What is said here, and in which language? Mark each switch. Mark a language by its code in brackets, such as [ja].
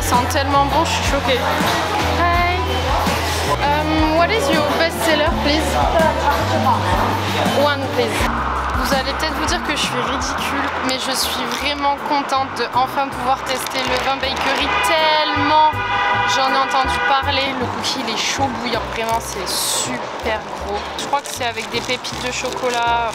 [fr] Tellement bon, je suis choquée. [en] Hi. What is your best seller, please? One, please. [fr] Vous allez peut-être vous dire que je suis ridicule, mais je suis vraiment contente de enfin pouvoir tester le Levain Bakery. Tellement j'en ai entendu parler. Le cookie, il est chaud bouillant. Vraiment, c'est super gros. Je crois que c'est avec des pépites de chocolat.